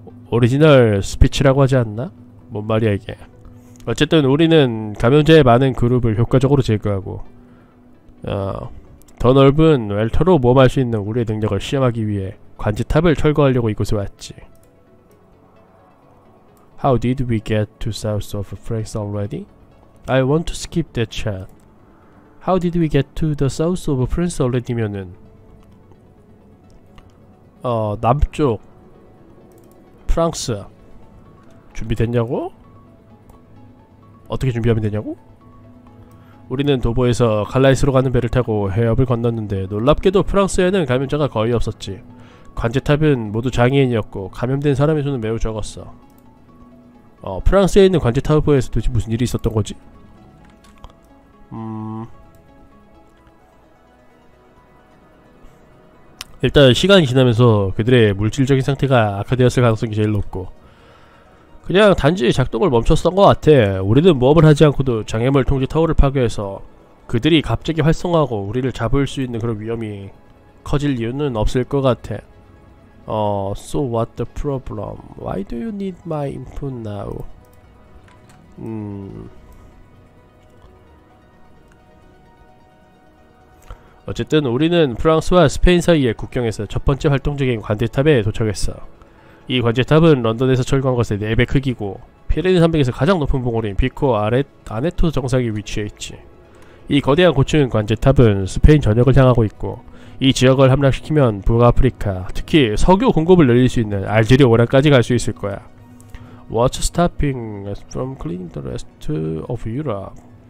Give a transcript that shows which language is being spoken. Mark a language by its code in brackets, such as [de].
[ko] 오리지널 스피치라고 하지 않나? 뭔 말이야 이게. 어쨌든 우리는 감염자의 많은 그룹을 효과적으로 제거하고 더 넓은 웰터로 모험할 수 있는 우리의 능력을 시험하기 위해 관제탑을 철거하려고 이곳에 왔지. [en] How did we get to south of France already? I want to skip that chat. How did we get to the south of France already면은 [ko] 남쪽 프랑스 준비됐냐고? 어떻게 준비하면 되냐고? 우리는 도보에서 칼라이스로 가는 배를 타고 해협을 건넜는데 놀랍게도 프랑스에는 감염자가 거의 없었지. 관제탑은 모두 장애인이었고 감염된 사람의 수는 매우 적었어. 프랑스에 있는 관제타워에서 도대체 무슨 일이 있었던 거지? 일단 시간이 지나면서 그들의 물질적인 상태가 악화되었을 가능성이 제일 높고, 그냥 단지 작동을 멈췄던 것 같아. 우리는 모험을 하지 않고도 장애물 통제 타워를 파괴해서 그들이 갑자기 활성화하고 우리를 잡을 수 있는 그런 위험이 커질 이유는 없을 것 같아. [en] So what the problem? Why do you need my input now? [ko] 어쨌든 우리는 프랑스와 스페인 사이의 국경에서 첫 번째 활동적인 관제탑에 도착했어. 이 관제탑은 런던에서 철거한 것의 4배 크기고 피레네 산맥에서 가장 높은 봉우리인 피코 아네토 정상에 위치해 있지. 이 거대한 고층 관제탑은 스페인 전역을 향하고 있고 이 지역을 함락시키면 북아프리카, 특히 석유 공급을 늘릴 수 있는 알제리 오랑까지 갈 수 있을 거야. [en] What's stopping us from cleaning the rest of Europe?